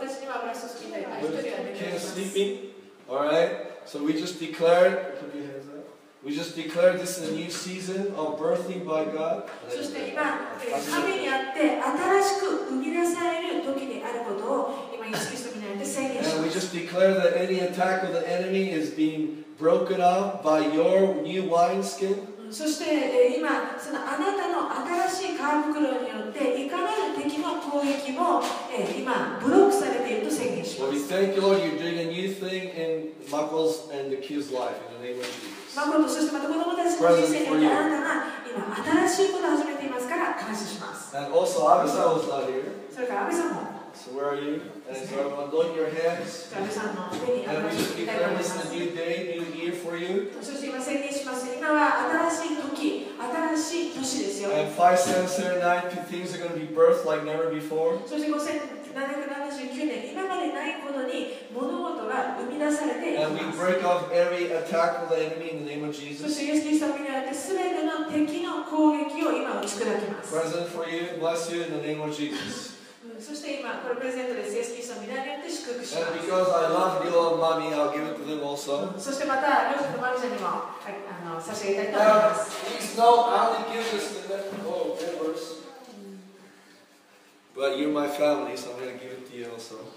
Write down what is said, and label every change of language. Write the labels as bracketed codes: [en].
[en] Can't sleep in. All right. So we just declared. Put your hands up. We just declared this is a new season of birthing by God. [ja] そして今、神にあって新しく生み出される時にあることを今意識してみないで宣言します。 [en] And we just declare that any attack of the enemy is being broken up by your new wine skin. [ja] そして今そのあなたの新しい皮袋によっていかなる敵の攻撃も今ブロックされていると宣言します。 [en] Well, we thank you, Lord, you're doing a new thing in Michael's and the kids' life in the name of Jesus. [ja] マコとそしてまた子供たちの人生においてあなたが今新しいことを始めていますから感謝します。 [en] And also, Abisa was not here. [ja] それから Abisa も。 [en] So where are you? And so I'm anointing your hands. And we just declare this is a new day, new year for you. And 5,709 new things are going to be birthed like never before. And we break off every attack of the enemy in the name of Jesus. President for you, bless you in the name of Jesus. [ja] そして今これプレゼントです。イエス・キリストの御名によって祝福します。 [en] And because I love you, Lord, mommy, I'll give it to them also. [ja] そしてまた両親とマルシェにも差し上げたいと思います。 [en] Please don't only give this to them. Oh, of course. But you're my family, so I'm going to give it to you also.